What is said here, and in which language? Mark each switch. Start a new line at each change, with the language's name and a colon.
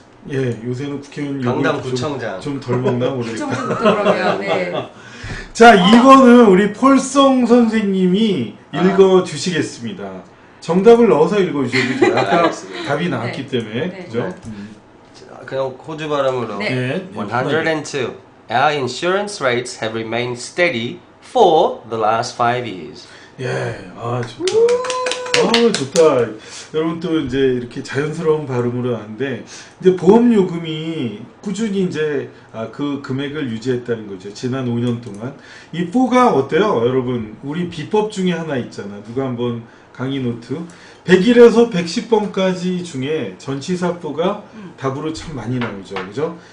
Korean: 예, 요새는 국회의원 강남 구청장. 좀 덜 먹나 모르겠다. 구청장부터 자, 2번은 우리 폴송 선생님이 읽어주시겠습니다. 정답을 넣어서 읽어주셔도 아까 답이 나왔기 네. 때문에. 네. 그죠? 그냥 호주 발음으로. 네. 102.
English: Our insurance rates have remained steady for the last 5 years.
Korean: 예, 아 좋다. 아 좋다. 여러분 또 이제 이렇게 자연스러운 발음으로 하는데 이제 보험 요금이 꾸준히 이제 아, 그 금액을 유지했다는 거죠. 지난 5년 동안 이 4가 어때요, 여러분? 우리 비법 중에 하나 있잖아. 누가 한번 강의 노트 101에서 110번까지 중에 전치사 4가 답으로 참 많이 나오죠, 그죠?